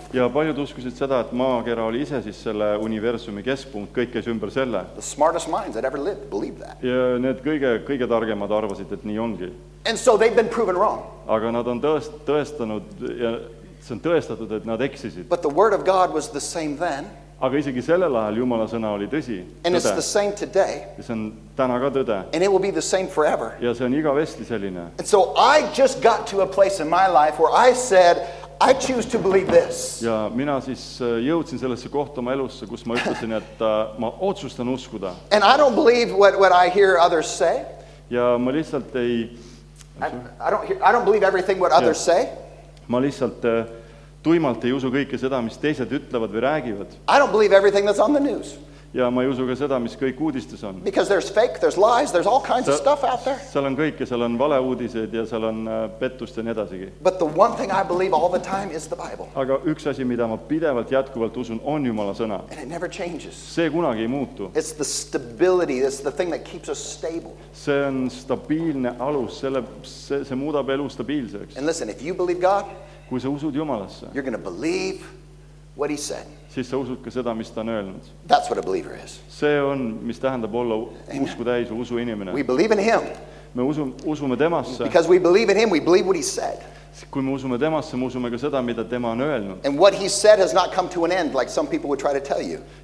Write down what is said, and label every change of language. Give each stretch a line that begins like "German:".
Estonian: Ja paljud uskusid seda, et maakera oli ise siis selle universumi keskpunkt, kõik käis ümber selle.
English: The smartest minds that ever lived believe that.
Estonian: Ja need kõige targemad arvasid, et nii ongi.
English: And so they've been proven wrong.
Estonian: Aga nad on tõestanud ja see on tõestatud, et nad eksisid.
English: But the word of God was the same then.
Estonian: Aga isegi sellel ajal Jumala sõna oli tõsi.
English: And it's the same today.
Estonian: Ja see on täna ka tõde.
English: And it will be the same forever.
Estonian: Ja see on igavesti selline.
English: And so I just got to a place in my life where I said, I choose to believe this.
Estonian: Ja mina siis jõudsin sellesse kohta oma elusse, kus ma ütlesin, et ma otsustan uskuda.
English: And I don't believe what I hear others say.
Estonian: Ja ma lihtsalt ei...
English: I don't believe everything what others say.
Estonian: Ma lihtsalt tuimalt ei usu kõike seda, mis teised ütlevad või räägivad.
English: I don't believe everything that's on the news.
Estonian: Ja ma ei usu ka seda, mis kõik uudistus on.
English: Because there's fake, there's lies, there's all kinds of stuff out there.
Estonian: Seal on kõik ja seal on valeuudised ja seal on pettust ja nii edasigi.
English: But the one thing I believe all the time is the Bible.
Estonian: Aga üks asi, mida ma pidevalt jätkuvalt usun, on Jumala sõna.
English: And it never changes.
Estonian: See kunagi ei muutu.
English: It's the stability, it's the thing that keeps us stable.
Estonian: See on stabiilne alus, see muudab elu stabiilseks.
English: And listen, if you believe God,
Estonian: kui sa usud Jumalasse,
English: you're going to believe what he said.
Estonian: Siis sa usud ka seda, mis ta on öelnud.
English: That's what a believer is.
Estonian: See on, mis tähendab olla usku täis või usu inimene.
English: We believe in him.
Estonian: Me usume temasse.
English: Because we believe in him, we believe what he said.
Estonian: Kui me usume temasse, me usume ka seda, mida tema on öelnud.
English: And what he said has not come to an end, like some people would try to tell you.